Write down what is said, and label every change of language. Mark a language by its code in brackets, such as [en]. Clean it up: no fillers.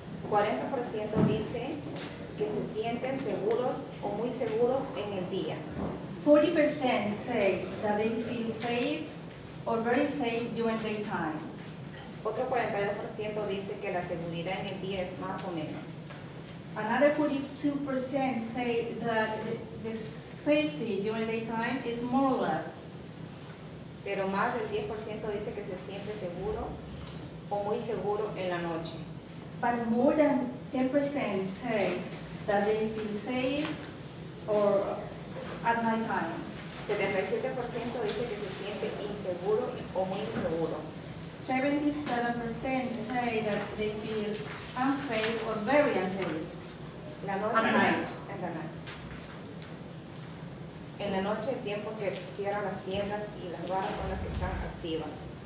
[es] 40% dice que se sienten seguros o muy seguros en el día. [en] 40% say that they feel safe or very safe during daytime. [es] Otro 42% dice que la seguridad en el día es más o menos. [en] Another 42% say that the safety during daytime is more or less. [es] Pero más del 10% dice que se siente seguro o muy seguro en la noche. [en] But more than 10% say that they feel safe or at night time. [es] 77% dice que se siente inseguro o muy inseguro. [en] 77% say that they feel unsafe or very unsafe. [es] La noche. [en] At night. [es] En la noche. En la noche, el tiempo que cierran las tiendas y las barras son las que están activas.